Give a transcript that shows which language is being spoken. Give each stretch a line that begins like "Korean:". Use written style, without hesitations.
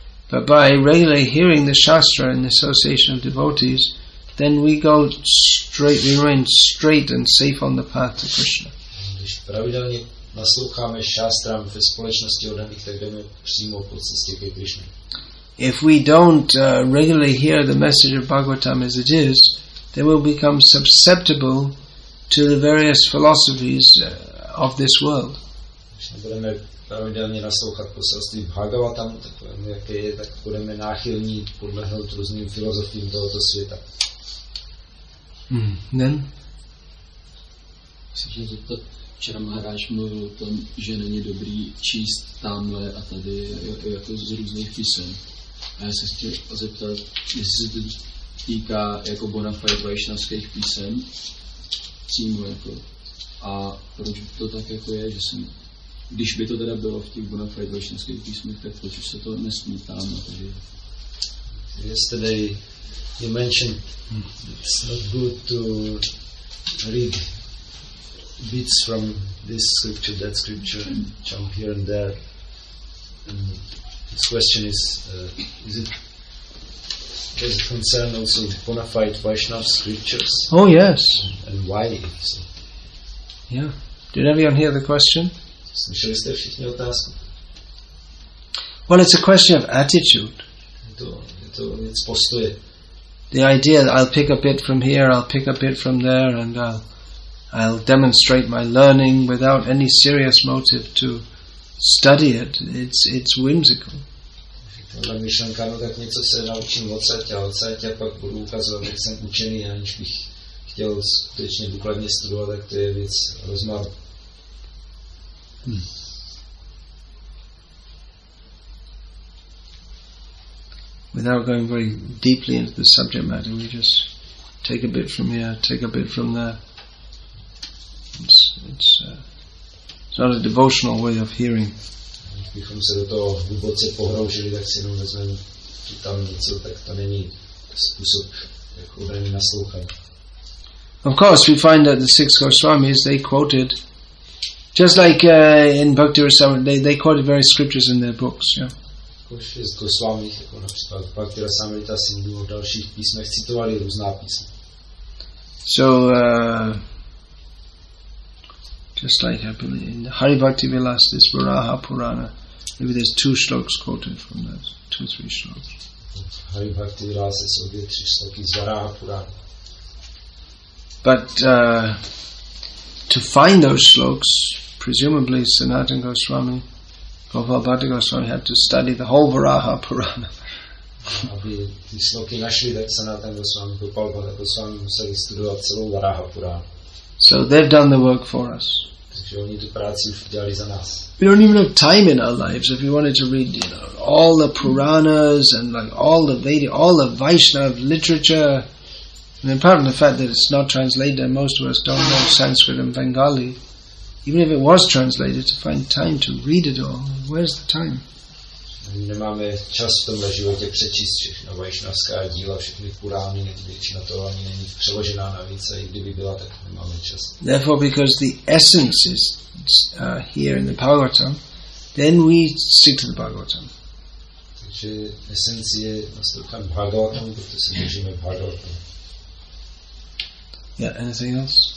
English: But by regularly hearing the Shastra in the association of devotees, then we go straight, we remain straight and safe on the path to Krishna.
Czech: Když pravidelně nasloucháme šástram ve společnosti oddaných, tak jdeme přímo po cestě ke Krishna.
English: If we don't regularly hear the message of Bhagavatam as it is, then we'll become susceptible to the various philosophies of this world.
Czech: Když nebudeme pravidelně naslouchat poselství Bhagavatam, tak budeme, jaké je, tak budeme náchylní podlehnout různým filozofiím tohoto světa.
English: Then?
Czech: Chci se zeptat, včera Maharaj mluvil o tom, že není dobrý číst tamhle a tady jako z různých písem. A já se chtěl zeptat, jestli se to týká jako bona fide vajšnavských písem přímo jako. A proč to tak jako je, že jsem, když by to teda bylo v těch bona fide vajšnavských písmech, tak proč se to nesmí tam?
English: Yesterday you mentioned it's not good to read bits from this scripture, that scripture, and jump here and there. And this question is it concern also bona fide Vaishnava scriptures? Oh, yes. And why? So, yeah. Did everyone hear the question?
Czech: Slyšeli jste všichni otázku?
English: Well, it's a question of attitude.
Czech: Je to věc postoje.
English: The idea that I'll pick a bit from here, I'll pick a bit from there, and I'll demonstrate my learning without any serious motive to study it, it's whimsical.
Czech: Myšlenka, no, tak něco se naučím odsaď a pak budu ukazovat, jak jsem učený, aniž bych chtěl skutečně důkladně studovat, tak to je věc rozmaru.
English: Without going very deeply into the subject matter, we just take a bit from here, take a bit from there. It's not a devotional way of hearing.
Czech: Kdybychom se do toho hluboce pohroužili, tak si jenom vezmeme tu tam něco, tak to není způsob, jak obrany naslouchat.
English: Of course, we find that the six Goswamis, they quoted, just like in Bhakti Rasamrita, they quoted various scriptures in their books, yeah.
Czech: Z Goswamich, jako například Bhakti Rasamrita Sindhu a dalších písmech, citovali různá písma.
English: So, just like I believe in Hari Bhakti Vilas, this Varaha Purana, maybe there's two shloks quoted from that, two, three shloks.
Czech: Hari Bhakti Vilas, jsou dvě, tři shloky z Varaha Purana.
English: But to find those shloks, presumably Sanatana Goswami, Gopal Bhatta Goswami had to study the whole Varaha Purana.
Czech: Aby ty sloky našli, tak Sanatana Goswami, Gopal Bhatta Goswami museli studovat celou Varaha Purana.
English: So they've done the work for us.
Czech: Takže oni tu práci už dělali za nás.
English: We don't even have time in our lives. If we wanted to read, you know, all the Puranas and like all the Vedic, all the Vaishnava literature, and apart from the fact that it's not translated, and most of us don't know Sanskrit and Bengali, even if it was translated, to find time to read it all, where's the time?
Czech: Nemáme čas v tomhle životě přečíst všechno vajšnavská díla, všechny purány, většina toho ani není přeložená navíc, a i kdyby byla, tak nemáme čas.
English: Therefore, because the essence is here in the Bhagavatam, then we stick to the Bhagavatam.
Czech: Takže esenci je nastoupen Bhagavatam, protože se držíme Bhagavatam.
English: Yeah, anything else?